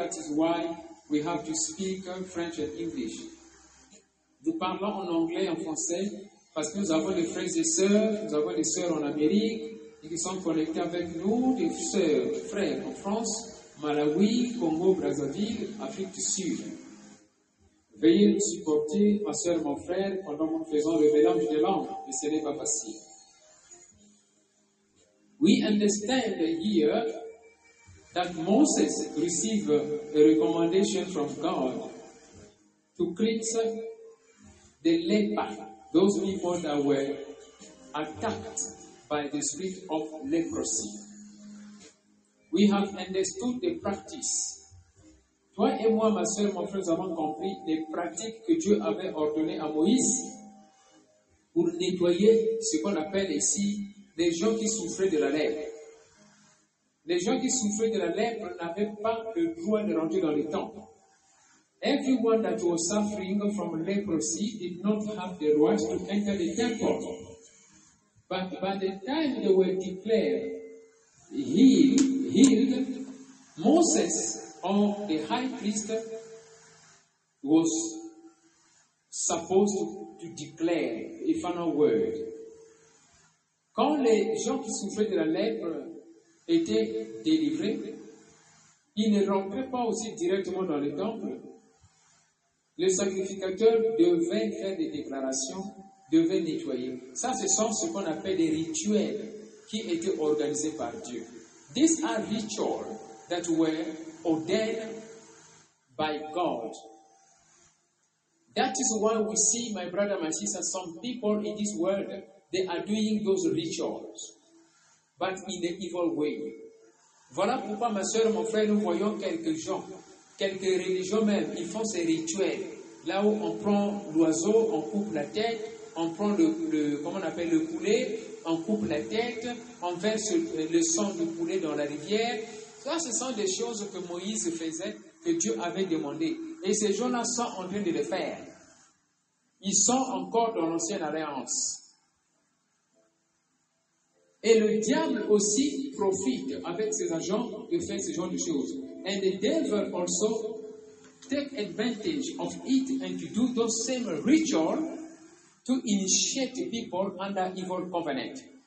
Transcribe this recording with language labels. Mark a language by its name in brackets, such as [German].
[English] That is why we have to speak French and English. [French] Nous parlons en anglais, en français, parce que nous avons des frères et sœurs, nous avons des sœurs en Amérique, et qui sont connectés avec nous, des sœurs, frères en France, Malawi, Congo, Brazzaville, Afrique du Sud. Veuillez nous supporter, ma sœur, mon frère, pendant que nous faisons le mélange des langues, et ce n'est pas facile. [English] We understand here that Moses received a recommendation from God to cleanse the leper, those people that were attacked by the spirit of leprosy. We have understood the practice. [French] Toi et moi, ma soeur, mon frère, nous avons compris les pratiques que Dieu avait ordonnées à Moïse pour nettoyer ce qu'on appelle ici les gens qui souffraient de la lèpre. Les gens qui souffraient de la lèpre n'avaient pas le droit de rentrer dans le temple. [English] Everyone that was suffering from leprosy did not have the right to enter the temple. But by the time they were declared healed, Moses, or the high priest, was supposed to declare a final word. [French] Quand les gens qui souffraient de la lèpre étaient délivrés, ils ne rentraient pas aussi directement dans le temple. Le sacrificateur devait faire des déclarations, devait nettoyer. Ça, ce sont ce qu'on appelle des rituels qui étaient organisés par Dieu. [English] These are rituals that were ordained by God. That is why we see, my brother, my sister, some people in this world, they are doing those rituals, but in an evil way. [French] Voilà pourquoi, ma soeur, mon frère, nous voyons quelques gens, quelques religions même, ils font ces rituels. Là où on prend l'oiseau, on coupe la tête, on prend le poulet, on coupe la tête, on verse le sang du poulet dans la rivière. Ça, ce sont des choses que Moïse faisait, que Dieu avait demandé. Et ces gens-là sont en train de les faire. Ils sont encore dans l'ancienne alliance. Et le diable aussi profite avec ses agents de faire ce genre de choses. [English] And the devil also take advantage of it and to do those same rituals to initiate people under evil covenant.